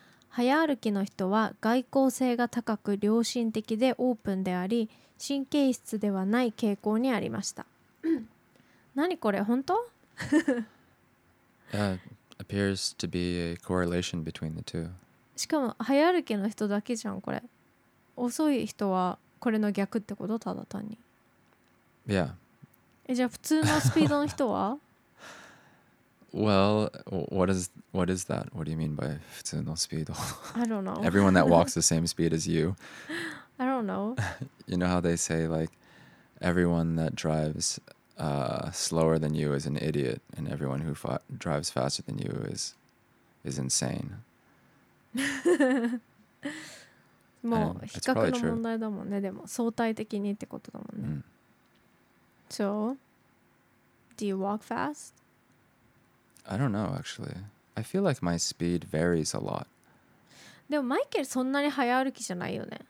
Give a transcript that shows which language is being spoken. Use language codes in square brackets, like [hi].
[ja] 早歩きの人は外向性が高く良心的でオープンであり、神経質ではない傾向にありました。何これ、本当？ [en] appears to be a correlation between the two. [ja] しかも早歩きの人だけじゃん、これ。遅い人はこれの逆ってこと、ただ単に。 [en] Yeah. [ja] え、じゃあ普通のスピードの人は？ [en] Well, what is that? What do you mean by [ja] 普通のスピード? [en] I don't know. Everyone that walks the same speed as you. I don't know. You know how they say, like, everyone that drives slower than you is an idiot, and everyone who drives faster than you is insane. [ja] もう比較の問題だもんね。でも相対的にってことだもんね。 [en] So, do you walk fast? I don't know, actually. I feel like my speed varies a lot. [ja] でもマイケルそんなに早歩きじゃないよね。